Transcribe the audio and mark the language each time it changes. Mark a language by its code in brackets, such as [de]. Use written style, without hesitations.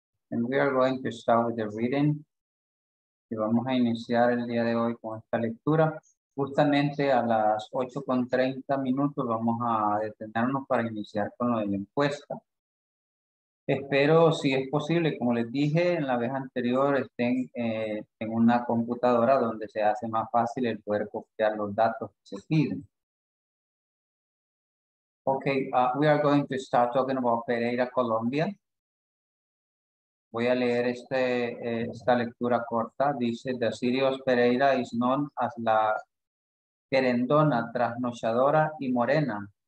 [en] And we are going to start with the reading. [es] Y vamos a iniciar el día de hoy con esta lectura. Justamente a las 8:30 minutos vamos a detenernos para iniciar con lo de la encuesta. Espero, si es posible, como les dije en la vez anterior, estén en una computadora donde se hace más fácil el poder copiar los datos que se piden. [en] Okay, we are going to start talking about Pereira, Colombia. [es] Voy a leer esta lectura corta. Dice, [en] the city of Pereira is known as [es] la querendona, trasnochadora y morena.